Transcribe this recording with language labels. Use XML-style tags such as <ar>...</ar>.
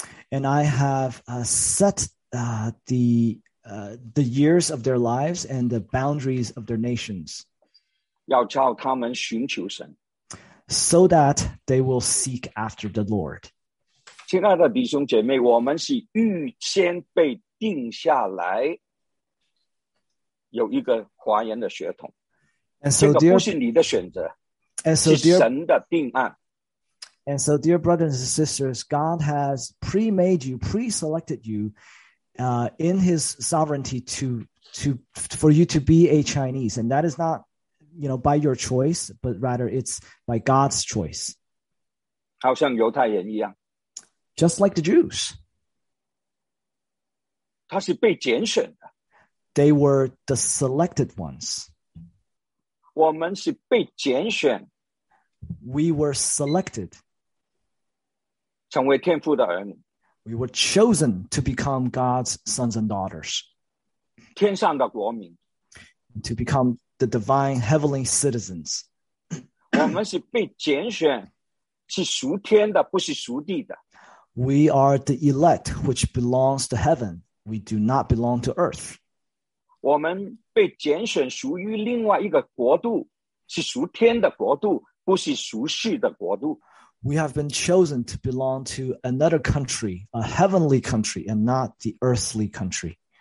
<en>and I have set the years of their lives and the boundaries of their nations,</en> <zh>要叫他们寻求神,</zh> <en>so that they will seek after the Lord.</en> <zh>亲爱的弟兄姐妹, 我们是预先被定下来, 有一个华人的血统。</zh> <en>And so, dear brothers and sisters, God has pre-made you, pre-selected you in his sovereignty for you to be a Chinese. And that is not, you know, by your choice, but rather it's by God's choice.</en> <zh>好像犹太人一样,</zh> <en>just like the Jews.</en> <zh>他是被拣选的,</zh> <en>they were the selected ones.</en> <zh>我们是被拣选,</zh> <en>we were selected,</en> <zh>成为天父的儿女,</zh> <en>we were chosen to become God's sons and daughters,</en> <zh>天上的国民,</zh> <en>to become the divine heavenly citizens.</en> <zh>我们是被拣选, 是属天的, 不是属地的,</zh> <en>we are the elect which belongs to heaven, we do not belong to earth.</en> <zh>我们被拣选属于另外一个国度, 是属天的国度, 不是属世的国度。</zh> <en>We have been chosen to belong to another country, a heavenly country, and not the earthly country.</en>